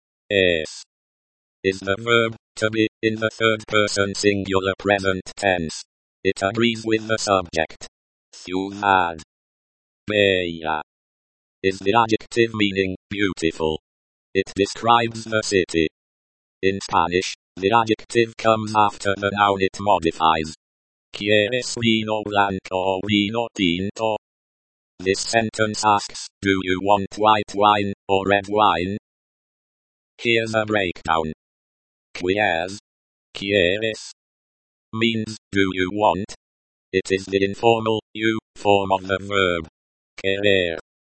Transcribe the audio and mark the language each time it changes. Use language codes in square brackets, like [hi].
[en] Es is the verb, to be, in the third person singular present tense. It agrees with the subject. Ciudad. Bella is the adjective meaning, beautiful. It describes the city. In Spanish, the adjective comes after the noun it modifies. [es] ¿Quieres vino blanco o vino tinto? [en] This sentence asks, do you want white wine, or red wine? Here's a breakdown. Quieres? Quieres? Means, do you want? It is the informal, you, form of the verb. Querer.